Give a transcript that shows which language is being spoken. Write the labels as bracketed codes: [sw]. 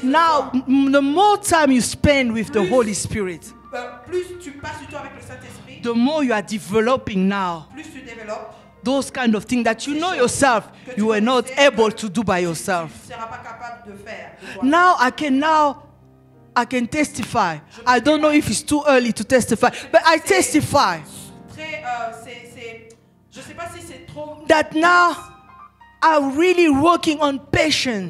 [en] now, the more time you spend with the Holy Spirit, [fr] plus tu passes du temps avec le Saint-Esprit, [en] the more you are developing now, [fr] plus tu développes [en] those kind of things that you know yourself you were not able to do by yourself. [fr] Tu seras pas capable de faire, de [en] toi. Now, I can testify. I don't know if it's too early to testify, but I testify that now I'm really working on patience.